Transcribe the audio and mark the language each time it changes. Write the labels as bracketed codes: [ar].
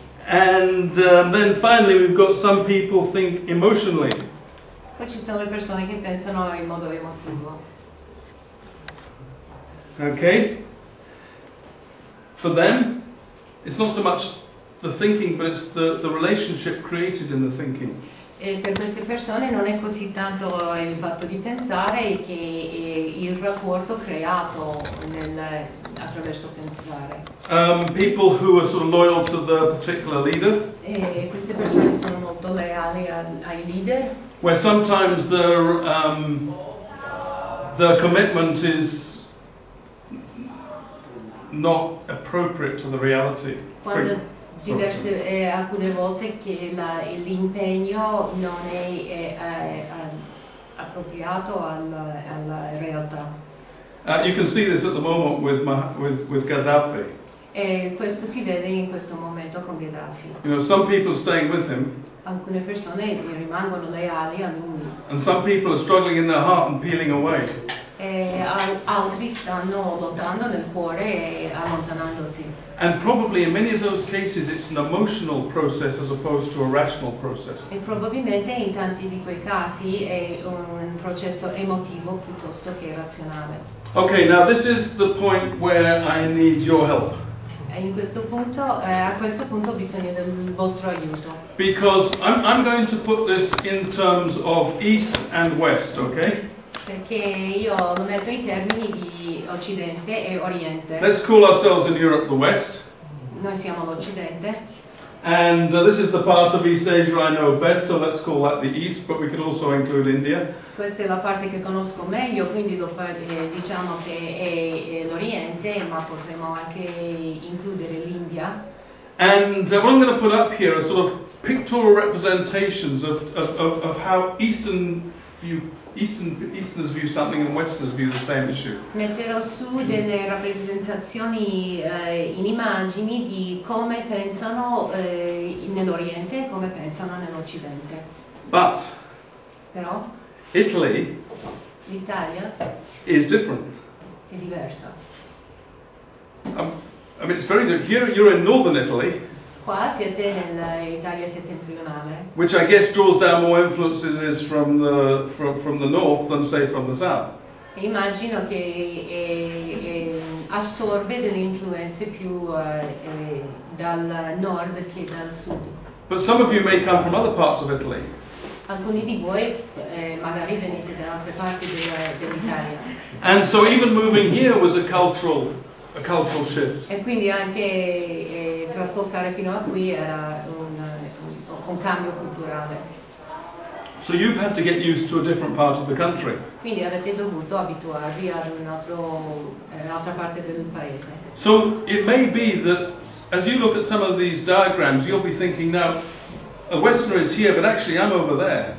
[en] And then finally we've got some people think emotionally. [it] Poi ci sono le persone che pensano in modo emotivo. [en] Okay. For them, it's not so much the thinking, but it's the relationship created in the thinking. [it] E per queste persone non è così tanto il fatto di pensare che il rapporto creato nel attraverso pensare. [en] People who are sort of loyal to the particular leader. [it] E queste persone sono molto leali ai leader. [en] Where sometimes their commitment is not appropriate to the reality. [it] Quando diverse alcune volte che l'impegno non è appropriato alla realtà. [en] You can see this at the moment with Gaddafi. [it] E questo si vede in questo momento con Gaddafi. [en] You know, some people staying with him. [it] Alcune persone rimangono leali a lui. [en] And some people are struggling in their heart and peeling away. [it] E altri stanno lottando nel cuore e allontanandosi. [en] And probably in many of those cases it's an emotional process as opposed to a rational process. [it] E probabilmente in tanti di quei casi è un processo emotivo piuttosto che razionale. [en] Okay, now this is the point where I need your help. [it] E in questo punto, a questo punto ho bisogno del vostro aiuto. [en] Because I'm going to put this in terms of East and West, okay? [it] Perché io lo metto in termini di Occidente e Oriente. [en] Let's call ourselves in Europe the West. [it] Noi siamo l'Occidente. [en] And this is the part of East Asia I know best, so let's call that the East, but we can also include India. [it] Questa è la parte che conosco meglio, quindi diciamo che è l'Oriente, ma potremmo anche includere l'India. [en] And what I'm going to put up here are sort of pictorial representations of how Easterners view something and Westerners view the same issue. [it] Metterò su delle rappresentazioni in immagini di come pensano nell'Oriente e come pensano nell'Occidente. [en] But [it] però [en] Italy, [it] l'Italia, [en] is different. [it] È diversa. [en] I mean, it's very different. Here you're in northern Italy. [it] Qua siete nell'Italia settentrionale. [en] Which I guess draws down more influences from the north than say from the south. [it] Immagino che assorbe delle influenze più dal nord che dal sud. [en] But some of you may come from other parts of Italy. [it] Alcuni di voi magari venite da altre parti dell'Italia. [en] And so even moving here was a cultural shift. [it] E quindi anche trasportare fino a qui era un cambio culturale. [en] So you've had to get used to a different part of the country. [it] Quindi avete dovuto abituarvi ad un'altra parte del paese. [en] So it may be that as you look at some of these diagrams, you'll be thinking now, a Westerner is here, but actually I'm over there.